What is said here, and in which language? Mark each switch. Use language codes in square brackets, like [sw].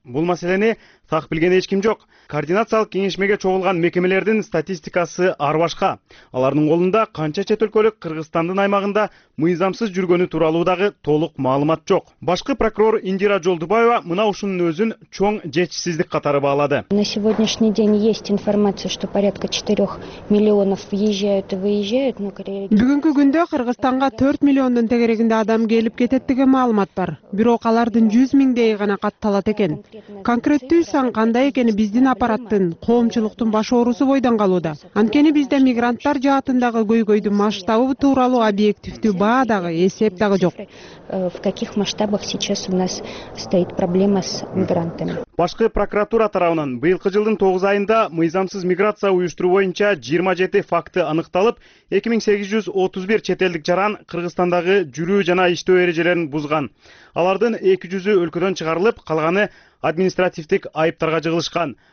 [ky] Бул маселени так билген эч ким жок. Координациялык кеңешмеге чогулган мекемелердин статистикасы ар башка. Алардын колунда канча чет өлкөлүк Кыргызстандын аймагында мыйзамсыз жүргөнү тууралуу дагы толук маалымат жок. Башкы прокурор Индира Жолдубаева мына ушунун өзүн чоң жетишсиздик катары баалады. [ru] На сегодняшний день есть информация, что порядка 4 миллионов въезжают и выезжают, но [ky] бүгүнкү күндө Кыргызстанга 4 миллиондун тегерегинде адам келип кетет деген маалымат бар. Бирок алардын 100 миңдей гана катталат экен. Конкреттүү сан кандай экени биздин аппараттын, коомчулуктун баш оорусу бойдон калууда. Анткени бизде мигранттар жаатындагы көйгөйдүн масштабы тууралуу объективдүү баа дагы, эсеп дагы жок. [ru] В каких масштабах сейчас у нас стоит проблема с мигрантами? [ky] Башкы прокуратура тарабынан быйылкы жылдын 9 айында мыйзамсыз миграция уюштуруу боюнча 27 факты аныкталып, 2831 чет элдик жаран Кыргызстандагы жүрүү жана иштөө эрежелерин бузган. Алардын 200 өлкөдөн чыгарылып, калганы административдик айыптарга жыгылышкан.